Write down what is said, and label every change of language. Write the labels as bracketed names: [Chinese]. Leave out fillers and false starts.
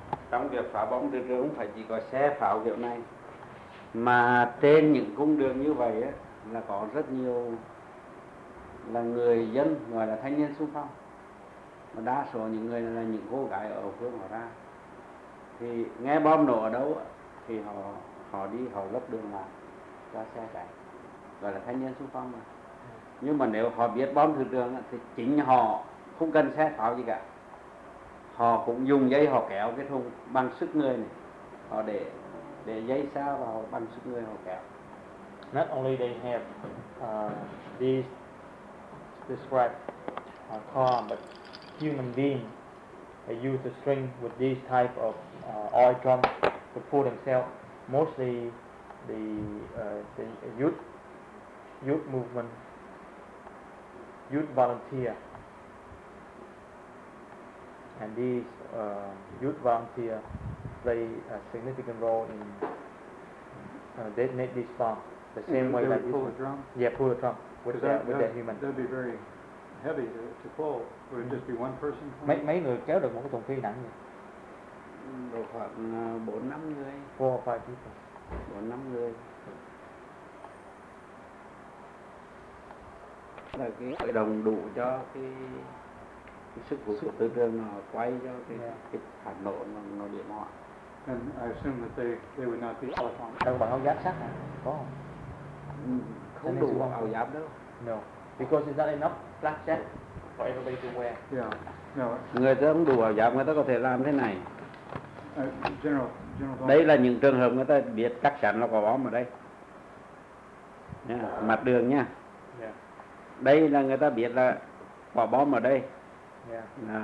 [Vietnamese] Trong việc phá bom đường rừng không phải chỉ có xe pháo kiểu này, mà trên những cung đường như vậy ấy, là có rất nhiều là người dân gọi là thanh niên xung phong, mà đa số những người là những cô gái ở phương họ ra, thì nghe bom nổ ở đâu thì họ đi họ lấp đường lại cho xe chạy, gọi là thanh niên xung phong mà. Nhưng mà nếu họ biết bom đường rừng thì chính họ không cần xe pháo gì cả, họ cũng dùng dây họ kéo cái thùng bằng sức người này, họ để dây xa vào bằng sức người họ kéo. [English] Not only they have these described car, but human being they use the string with these type of oil drum to pull themselves. Mostly the youth movement, youth volunteer. And these youth volunteers play a significant role in detonate this bomb. The same way that pull the drum. Yeah, pull the drum with that, with that human. That'd be very heavy to pull. Would it just be one person? [Vietnamese] Mấy người kéo được một cái thùng phi nặng vậy? Độ khoảng 4-5 người. [English] 4 or 5 people. [Vietnamese] 4-5 người. Là cái hội đồng đủ cho cái. [English] And I assume that they would not be electronic. [Vietnamese] Đâu bằng áo giáp sắt hả? Có không? Không đủ áo giáp đâu. No. [English] Because it's not enough black jacket for everybody to wear. Yeah. No. [Vietnamese] Người ta không đủ áo giáp, người ta có thể làm thế này. [English] General. [Vietnamese] Đây là những trường hợp người ta biết chắc chắn là có bom ở đây. Nha, mặt đường nha. [English] Yeah. [Vietnamese] Đây là người ta biết là có bom ở đây. [English] Yeah.